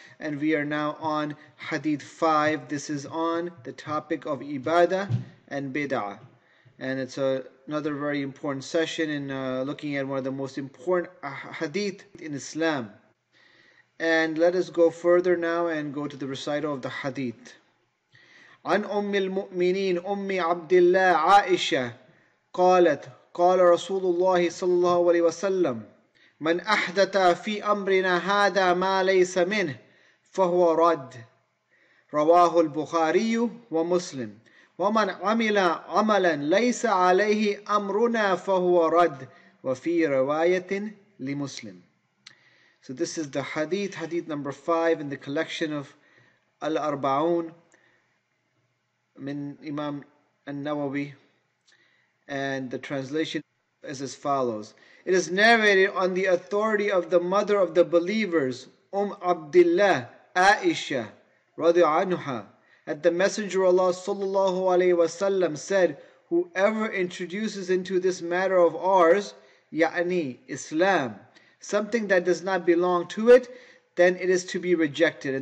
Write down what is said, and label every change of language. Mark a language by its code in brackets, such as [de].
[en] And we are now on Hadith 5. This is on the topic of Ibadah and Bid'ah. And it's another very important session in looking at one of the most important Hadith in Islam. And let us go further now and go to the recital of the Hadith. [ar] عن أم المؤمنين أم عبد الله عائشة قالت قال رسول الله صلى الله عليه وسلم من أحدث في أمرنا هذا ما ليس منه فهو رد رواه البخاري ومسلم ومن عمل عملا ليس عليه أمرنا فهو رد وفي رواية لمسلم. [en] So this is the hadith, hadith number 5 in the collection of Al-Arba'un Min Imam An-Nawawi, and the translation is as follows. It is narrated on the authority of the mother of the believers, Abdullah Aisha radhi anha, that the Messenger of Allah sallallahu alayhi wa sallam said, whoever introduces into this matter of ours, ya'ni Islam, something that does not belong to it, then it is to be rejected.